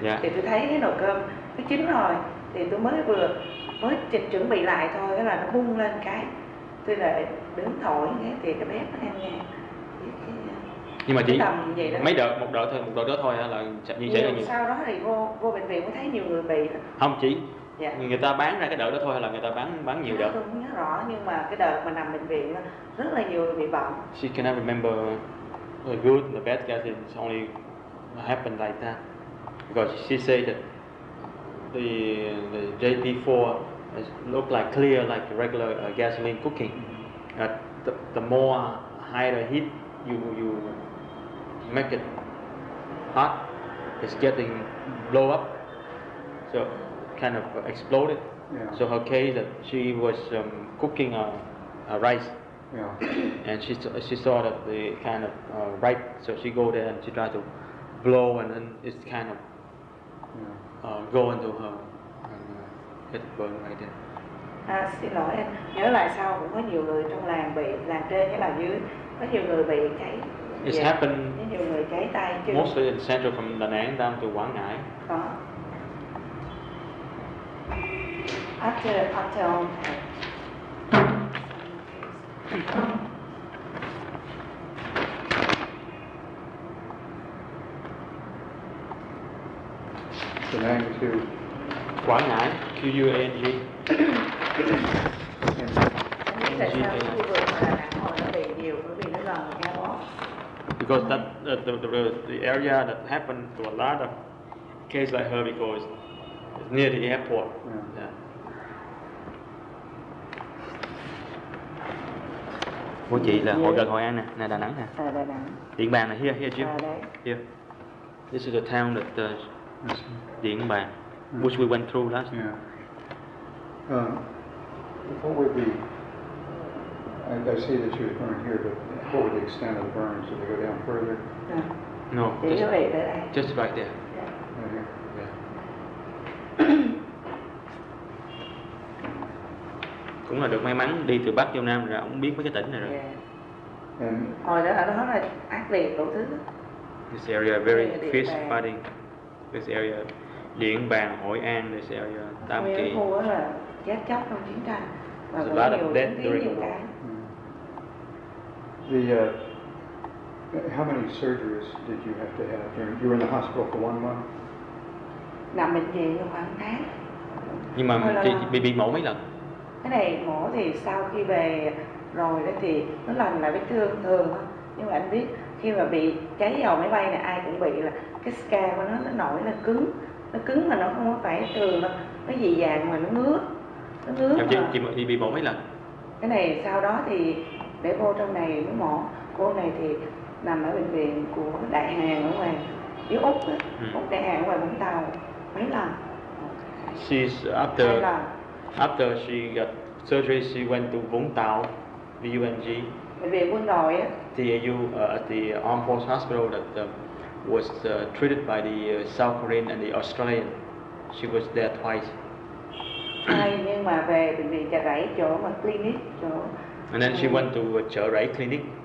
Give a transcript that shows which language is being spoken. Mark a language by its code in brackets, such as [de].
[vi] Thì tôi thấy cái nồi cơm nó chín rồi thì tôi mới chuẩn bị lại thôi, cái là nó bung lên cái tôi lại đứng thổi nghe, thì cái bếp nó đang nghe. Nhưng mà chỉ mấy đợt, một đợt thôi là như vậy là nhiều. Sau đó thì vô bệnh viện mới thấy nhiều người bị không chỉ. Người ta bán ra cái đợt đó thôi hay là người ta bán nhiều đợt? Tôi không nhớ rõ, nhưng mà cái đợt mà nằm bệnh viện đó, rất là nhiều người bị bệnh. [en] She cannot remember the good and the bad guys, it's only happened like that. Because she said that the JP4 looked like clear, like regular gasoline cooking. The more higher the heat you make it hot, it's getting blow up. So kind of exploded. So her case that she was cooking a rice. And she saw that the kind of ripe, so she go there and she tried to blow, and then it's kind of go into her and get burned right there. [vi] Xin lỗi em, nhớ lại sau cũng có nhiều người trong làng bị, làng trên với làng dưới, có nhiều người bị cháy. [en] It's happened. [vi] Nhiều người cháy tay chứ. [en] Mostly in central from Đà Nẵng down to Quảng Ngãi. After the name to Quảng Ngãi, Quang, Q U A N G. And [vi] tại sao khu vực Đà Nẵng họ lại về nhiều, bởi vì nó gần airport. [en] Because that the area that happened to a lot of cases like her because it's near the airport. Yeah. [vi] Cô chị là hội gần Hội An nè, nè Đà Nẵng nè. À, Đà Nẵng. Điện Bàn là here, here Jim. À, đấy. [en] Here. This is the town that Điện Bàn, mm-hmm. which we went through last. Yeah. What would be, I see that she was burned here, but what would the extent of the burns? Did they go down further? No. No, just, just right there. Yeah. Right here? Yeah. [vi] Cũng là được may mắn đi từ Bắc vô Nam rồi ông biết mấy cái tỉnh này rồi. Hồi đó ở đó là ác liệt đủ thứ. [en] This area very fierce fighting. This area Điện Bàn, Hội An, this area Tam Kỳ. [vi] Khu đó là chết chóc trong chiến tranh và có nhiều chiến tuyến nhiều cái. [en] The how many surgeries did you have to have during, you were in the hospital for 1 month? [vi] Nằm bệnh viện khoảng tháng. Nhưng mà bị mổ mấy lần? Cái này mổ thì sau khi về rồi đó thì nó lành lại vết thương thường thôi. Nhưng mà anh biết khi mà bị cháy dầu máy bay này ai cũng bị là cái scar của nó nổi lên cứng. Nó cứng mà nó không có phải thường đâu. Nó dị dàng mà nó ngứa. Nó ngứa mà. Chị bị mổ mấy lần? Cái này sau đó thì để vô trong này mới mổ. Cô này thì nằm ở bệnh viện của Đại Hàn ở ngoài dưới Úc á. Úc Đại Hàn ở ngoài Vũng Tàu mấy lần. [en] She's after... After she got surgery, she went to Vũng Tàu, VUNG. [vi] Bệnh viện quân đội á. [en] The Armed Force Hospital that was treated by the South Korean and the Australian. She was there twice. [vi] Hai nhưng mà về bệnh viện Chợ Rẫy chỗ mà clinic chỗ. [en] And then she went to Chợ Rẫy clinic.